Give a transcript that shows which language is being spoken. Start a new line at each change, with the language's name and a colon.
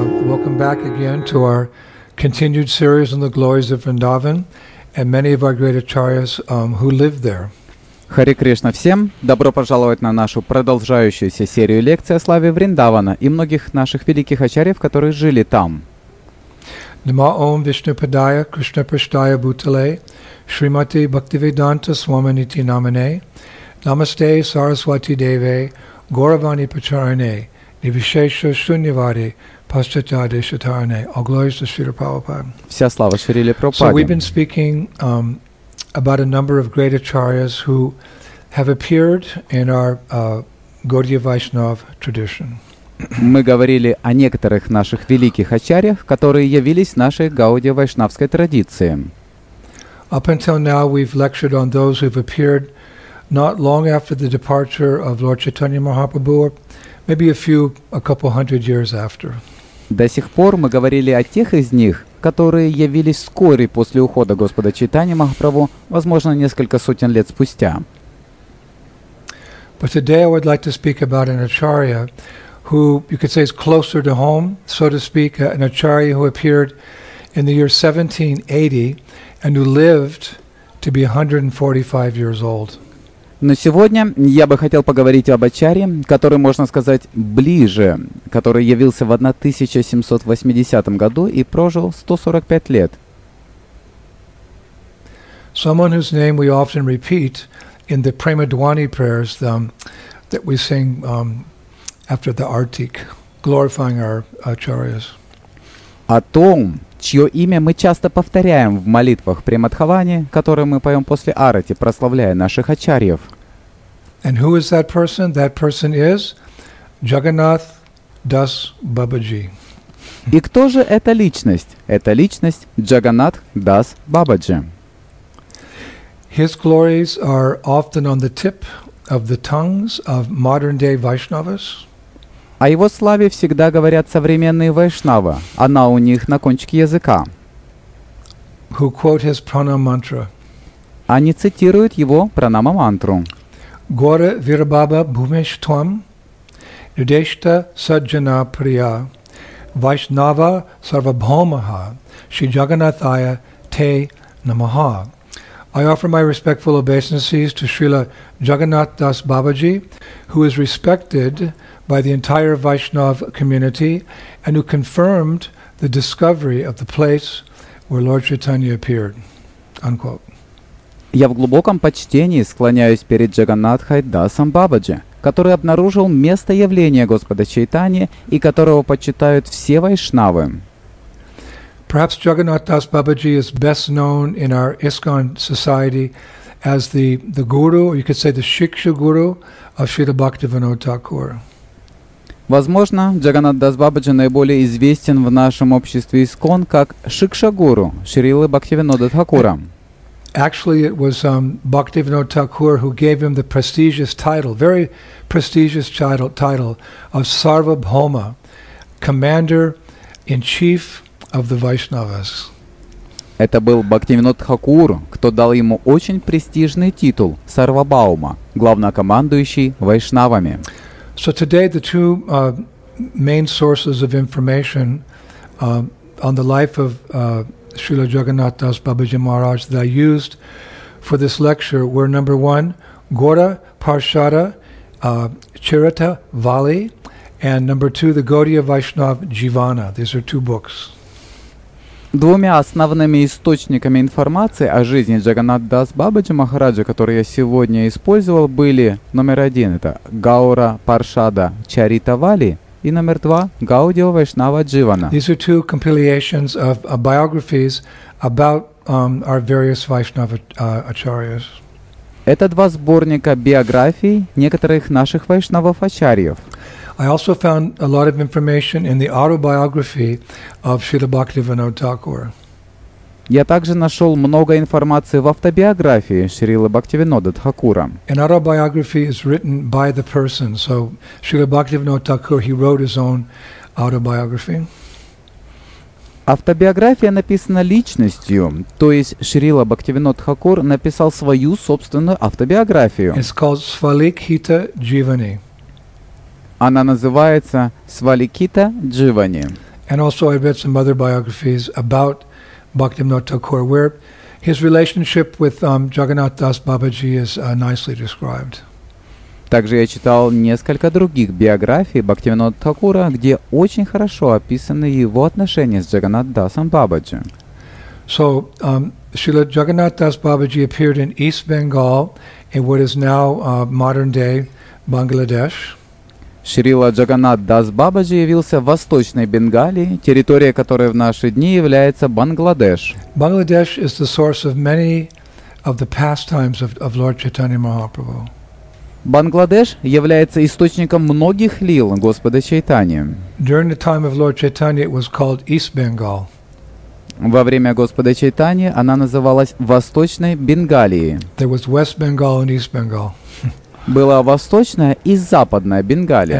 English: Welcome back again to our continued series on the glories of Vrindavan and many of our great acharyas who lived there.
Russian: Hare Krishna всем. Добро пожаловать на нашу продолжающуюся серию лекций о славе Вриндавана и многих наших великих ачарьев, которые жили там.
Sanskrit: Нама Ом Вишну Падая Кришна Праштая Бутале Шримати Бхактивиданта Свамините Намане Намасте Сарасвати Деве Гуравани Пачаране Нивишеша Шуньяваде Пасчатаде Шатаране.
English: All glories to Srila Prabhupada.
Russian: Вся слава Шриле Прабхупаде.
English: So we've been speaking about a number of great acharyas who have appeared in our Gaudiya Vaishnava tradition.
Russian: Мы говорили о некоторых наших великих ачарьях, которые явились нашей Гаудия Вайшнавской традиции.
English: Up until now we've lectured on those who've appeared not long after the departure of Lord Chaitanya Mahaprabhu, or maybe a couple hundred years after.
Russian: До сих пор мы говорили о тех из них, которые явились вскоре после ухода Господа Чайтаньи Махапрабху, возможно, несколько сотен лет спустя.
English: But today I would like to speak about an acharya who, you could say, is closer to home, so to speak, an acharya who appeared in the year 1780 and who lived to be 145 years old.
Russian: Но сегодня я бы хотел поговорить об ачарье, который, можно сказать, ближе, который явился в 1780 году и прожил 145 лет.
English: Someone whose name we often repeat in the Premadwani prayers that we sing after the Artik, glorifying our acharyas.
Russian: О том, чье имя мы часто повторяем в молитвах Премадхавани, которые мы поем после Арати, прославляя наших ачарьев.
English: And who is that person? That person is Jagannath Das Babaji.
Russian: И кто же эта личность? Это личность Jagannath Das Babaji.
English: His glories are often on the tip of the tongues of modern-day Vaishnavas.
Russian: О его славе всегда говорят современные вайшнавы. Она у них на кончике языка.
English: Who quote his pranamantra.
Russian: Они цитируют его пранама-мантру.
Sanskrit: Гора Вирабаба Бумеш Твам Нидешта Саджана Прия Вайшнава Сарвабхомаха Шри Джаганатхая Те Намаха.
English: I offer my respectful obeisances to Srila Jagannath Das Babaji, who is respected by the entire Vaishnava community and who confirmed the discovery of the place where Lord Chaitanya appeared. Unquote.
Russian: Я в глубоком почтении склоняюсь перед Джаганнатхой Дасом Бабаджи, который обнаружил место явления Господа Чайтани и которого почитают все вайшнавы.
English: Perhaps Jagannath Das Babaji is best known in our ISKCON society as the guru, or you could say the shiksha guru of Srila Bhaktivinoda Thakur.
Russian: Возможно, Джаганнат Дас Бабаджи наиболее известен в нашем обществе ИСКОН как шикша-гуру Шрилы Бхактивинода Тхакура.
English: Actually, it was Bhaktivinoda Thakur who gave him the prestigious title, very prestigious title of Sarvabhauma, Commander-in-Chief of the Vaishnavas.
Russian: Это был Бхактивинода Тхакур, кто дал ему очень престижный титул Сарвабхаума, главнокомандующий вайшнавами.
English: So today the two main sources of information on the life of Srila Jagannath Das Babaji Maharaj that I used for this lecture were number one, Gaura Parshada Charita Vali, and number two, the Gaudiya Vaishnava Jivana. These are two books.
Russian: Двумя основными источниками информации о жизни Джаганнатха Дас Бабаджи Махараджа, которые я сегодня использовал, были номер один – это Гаура Паршада Чарита Вали, и номер два – Гаудио Вайшнава Дживана.
English: These are two compilations of biographies about our various Vaishnava acharyas.
Russian: Это два сборника биографий некоторых наших вайшнавов ачарьев.
English: I also found a lot of information in the autobiography of Srila Bhaktivinoda Thakur.
Russian: Я также нашел много информации в автобиографии Шрилы Бхактивинода Тхакура.
English: An autobiography is written by the person, so Srila Bhaktivinoda Thakur, he wrote his own autobiography.
Russian: Автобиография написана личностью, то есть Шрила Бхактивинода Тхакур написал свою собственную автобиографию.
English: It's called Svalikhita Jivani.
Russian: Она называется Свалікіта Джівані.
English: And also I read some other biographies about Bhaktivinoda Thakur, where his relationship with Jagannath Das Babaji is nicely described.
Russian: Также я читал несколько других биографий Бхактивинода Такура, где очень хорошо описаны его отношения с Джаганнат Дасом Бабаджи.
English: So, Srila Jagannath Das Babaji appeared in East Bengal, in what is now modern-day Bangladesh.
Russian: Шрила Джаганнат Дас Бабаджи явился в Восточной Бенгалии, территория которой в наши дни является Бангладеш.
English: Bangladesh is the source of many of the pastimes of Lord Chaitanya Mahaprabhu.
Russian: Бангладеш является источником многих лил Господа Чайтани.
English: During the time of Lord Chaitanya, it was called East Bengal.
Russian: Во время Господа Чайтани она называлась Восточной Бенгалией. There was West Bengal and East Bengal. Была Восточная и Западная Бенгалия.